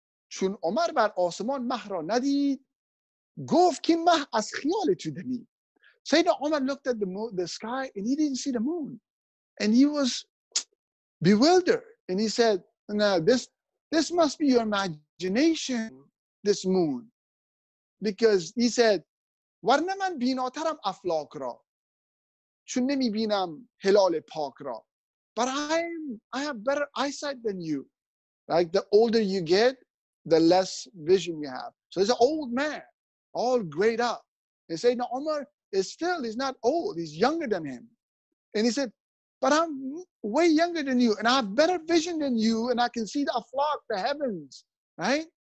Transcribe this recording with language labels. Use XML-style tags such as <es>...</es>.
<fa>چون عمر بر آسمان مه را ندید گفت که مه از خیال تو دمید.</fa> <en>سیدنا عمر looked at the sky and he didn't see the moon. And he was bewildered. And he said, this must be your imagination, this moon. Because he said,</en> <fa>ورنه من بیناترم افلاک را چون نمی بینم هلال پاک را.</fa> <en>But I have better eyesight than you. Like the older you get, the less vision you have. So he's an old man, all grayed up. And Sayyidina Umar is still, he's not old, he's younger than him. And he said, but I'm way younger than you, and I have better vision than you, and I can see the aflaq, the heavens, right?</en>